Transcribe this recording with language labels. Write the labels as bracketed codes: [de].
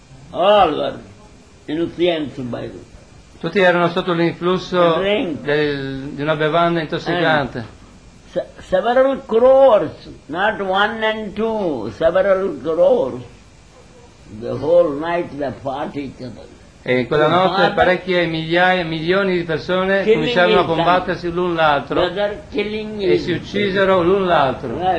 [en] All were influenced by them. [it] Tutti erano sotto l'influsso di una bevanda intossicante. [en] Several crores, not one and two, several crores. The whole night they fought each other. [it] E quella notte parecchie migliaia, milioni di persone [en] killing [it] cominciarono a combattersi l'un l'altro e si uccisero l'un l'altro.